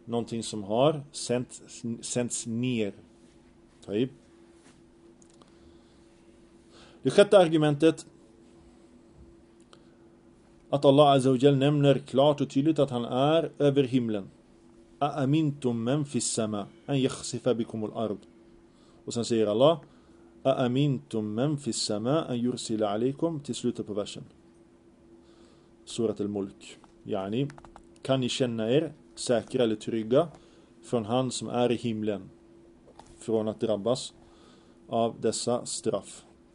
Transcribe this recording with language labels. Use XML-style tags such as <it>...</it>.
<sv>Någonting som har sänts ner. Taib. Det sjätte argumentet, att Allah Azza wa Jal nämner klart och tydligt att han är över himlen.</sv> <ar>أَأَمِنْتُمْ مَنْ فِي السَّمَاءِ أَنْ يَخْسِفَ بِكُمُ الْأَرْضِ.</ar> <sv>Och sen säger Allah</sv> <ar>أَأَمِنْتُمْ مَنْ فِي السَّمَاءِ أَنْ يُرْسِلَ عَلَيْكُمْ.</ar> <sv>Till slutet på versen. Surat al-Mulk. Yani, kan ni känna er säkra eller trygga från han som är i himlen, från att drabbas av dessa straff?</sv>